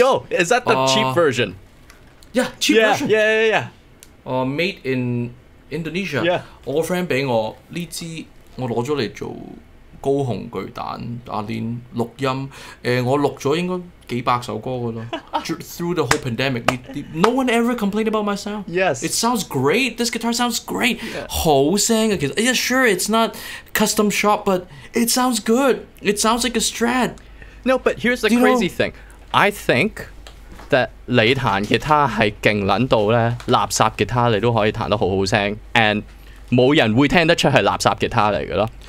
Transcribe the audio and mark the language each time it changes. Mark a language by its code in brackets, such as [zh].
[en] Yo， is that the cheap version？ Yeah， cheap version。 Yeah， yeah， yeah。 Made in Indonesia、 yeah. [yue] 我的 friend 俾我呢支，我攞咗嚟做高雄巨蛋阿练录音。我录咗应该几百首歌噶啦。 [en] Through the whole pandemic, no one ever complained about my sound. Yes, it sounds great. This guitar sounds great.、 Yeah. [yue] 好声啊，其实 [en] yeah, sure, it's not custom shop, but it sounds good. It sounds like a Strat. No, but here's the、Do、crazy you know, thing. I think. [yue] That 你彈吉他係勁撚到咧，垃圾吉他你都可以彈得好好聲 ，and 冇人會聽得出係垃圾吉他嚟嘅咯。